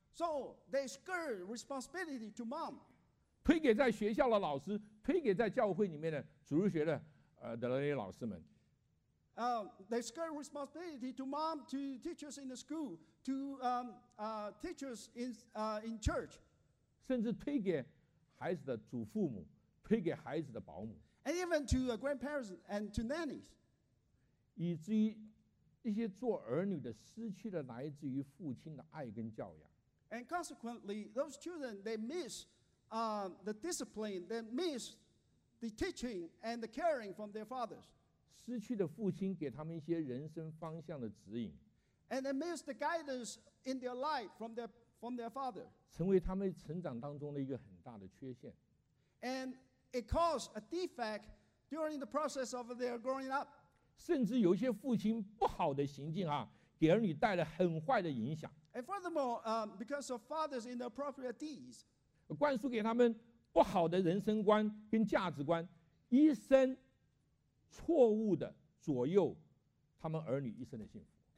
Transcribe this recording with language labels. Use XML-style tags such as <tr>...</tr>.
<en>So they skirt responsibility to mom.</en> <zh>推给在学校的老师，推给在教会里面的主日学的那些老师们。</zh> <en>They skirt responsibility to mom, to teachers in the school, to teachers in church.</en> <zh>甚至推给孩子的祖父母，推给孩子的保姆。</zh> <en>And even to grandparents and to nannies.</en> <zh>以至于这些做儿女的失去了来自于父亲的爱跟教养。</zh> <en>And consequently, those children they miss the discipline, they miss the teaching and the caring from their fathers.</en> <zh>失去了父亲给他们一些人生方向的指引。</zh> <en>And they miss the guidance in their life from their father.</en> <zh>成为他们成长当中的一个很大的缺陷。</zh> <en>And it caused a defect during the process of their growing up.</en> <zh>甚至有一些父亲不好的行径啊，给儿女带来很坏的影响。</zh> <en>And furthermore, because of fathers' inappropriate deeds,</en> <zh>灌输给他们不好的人生观跟价值观，一生错误的左右他们儿女一生的幸福。</zh>